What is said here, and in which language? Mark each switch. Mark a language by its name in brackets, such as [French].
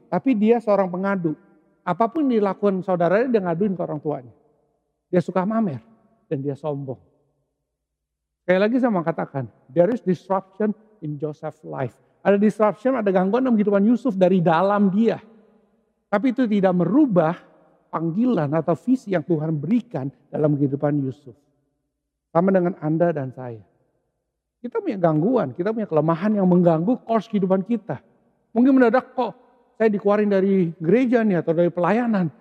[Indonesian] Tapi dia seorang pengadu. Apapun dilakukan saudaranya, dia ngaduin ke orang tuanya. Dia suka mamer dan dia sombong. Sekali lagi saya mau katakan, [English] there is disruption in Joseph's life. [Indonesian] Ada disruption, ada gangguan dalam kehidupan Yusuf dari dalam dia. Tapi itu tidak merubah panggilan atau visi yang Tuhan berikan dalam kehidupan Yusuf. Sama dengan Anda dan saya. Kita punya gangguan, kita punya kelemahan yang mengganggu course kehidupan kita. Mungkin mendadak kok, saya dikeluarin dari gereja nih atau dari pelayanan.